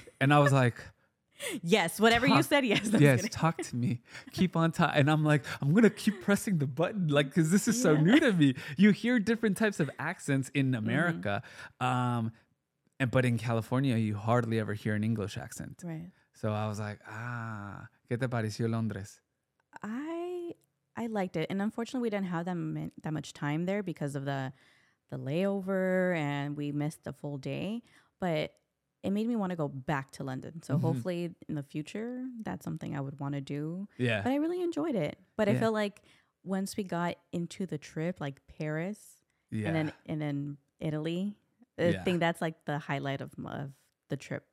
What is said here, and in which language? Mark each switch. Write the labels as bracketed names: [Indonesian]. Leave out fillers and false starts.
[English] And I was like, yes, whatever you said, yes. Yes, talk to me. Keep on talking. And I'm like, I'm going to keep pressing the button, like, because this is so new to me. You hear different types of accents in America. Mm-hmm. But in California, you hardly ever hear an English accent. Right. So I was like, [Spanish] ¿qué te pareció Londres? [English] I liked it. And unfortunately, we didn't have that much time there because of the layover and we missed the full day. But it made me want to go back to London. So hopefully in the future, that's something I would want to do. Yeah. But I really enjoyed it. But I feel like once we got into the trip, like Paris and then Italy, I think that's like the highlight of the trip.